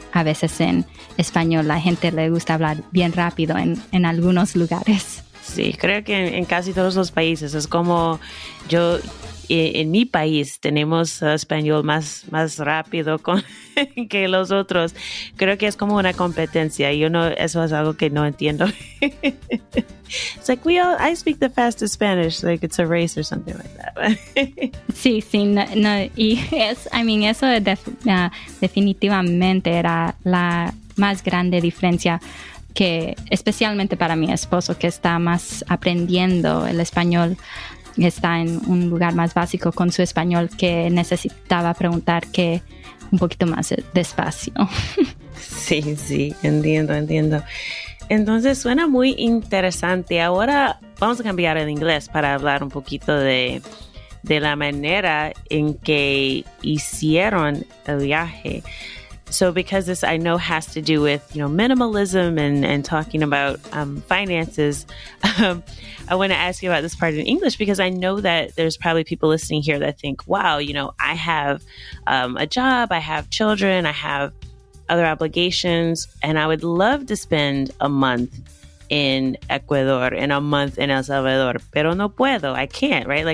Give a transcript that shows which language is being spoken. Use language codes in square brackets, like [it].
[es] A veces en español la gente le gusta hablar bien rápido en algunos lugares. Sí, creo que en casi todos los países es como yo, en mi país tenemos español más rápido que los otros. Creo que es como una competencia y eso es algo que no entiendo. [en] It's like, I speak the fastest Spanish, like it's a race or something like that. [es] Sí, sí, no, y es, [en] I mean, [es] eso definitivamente era la más grande diferencia que, especialmente para mi esposo, que está más aprendiendo el español, está en un lugar más básico con su español, que necesitaba preguntar que un poquito más despacio. Sí, sí, entiendo. Entonces suena muy interesante. Ahora vamos a cambiar el inglés para hablar un poquito de la manera en que hicieron el viaje. [en] So because this I know has to do with, you know, minimalism and talking about finances, I want to ask you about this part in English because I know that there's probably people listening here that think, wow, you know, I have a job, I have children, I have other obligations, and I would love to spend a month in Ecuador and a month in El Salvador, [es] pero no puedo, [en] I can't, right?